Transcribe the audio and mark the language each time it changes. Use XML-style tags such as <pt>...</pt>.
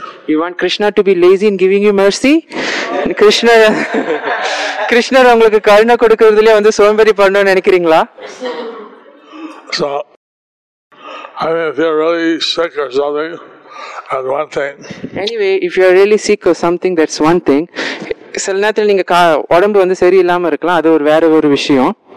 <en>you want Krishna to be lazy in giving you mercy?</en> <ta>Krishna Krishna உங்களுக்கு கருணை கொடுக்கறதுல வந்து சோம்பேறி பண்ணணும் நினைக்கிறீங்களா?</ta> <en>So, I mean, if you're really sick or something, that's one thing. Anyway, if you are really sick or something, that's one thing.</en> <ta>சில நேரத்தில் நீங்க உடம்பு வந்து சரி இல்லாம இருக்கலாம், அது ஒரு வேற ஒரு விஷயம்.</ta>